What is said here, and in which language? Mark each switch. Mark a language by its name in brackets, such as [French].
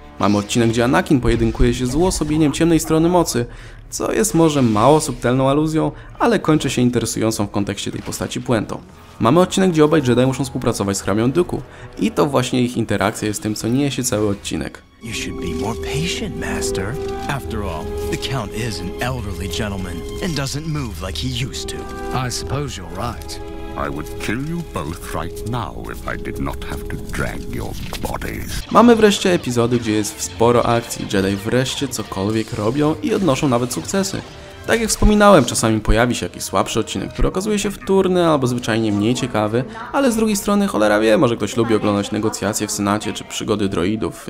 [Polish] Mamy odcinek, gdzie Anakin pojedynkuje się z uosobieniem ciemnej strony mocy, co jest może mało subtelną aluzją, ale kończy się interesującą w kontekście tej postaci puentą. Mamy odcinek, gdzie obaj Jedi muszą współpracować z hrabią Dooku i to właśnie ich interakcja jest tym, co niesie cały odcinek. [English] You should be more patient, master. After all, the Count is an elderly gentleman and doesn't move like he used to. I suppose you're right. I would kill you both right now if I did not have to drag your bodies. [Polish] Mamy wreszcie epizody, gdzie jest sporo akcji, Jedi wreszcie cokolwiek robią i odnoszą nawet sukcesy. Tak jak wspominałem, czasami pojawi się jakiś słabszy odcinek, który okazuje się wtórny albo zwyczajnie mniej ciekawy, ale z drugiej strony cholera wie, może ktoś lubi oglądać negocjacje w Senacie czy przygody droidów.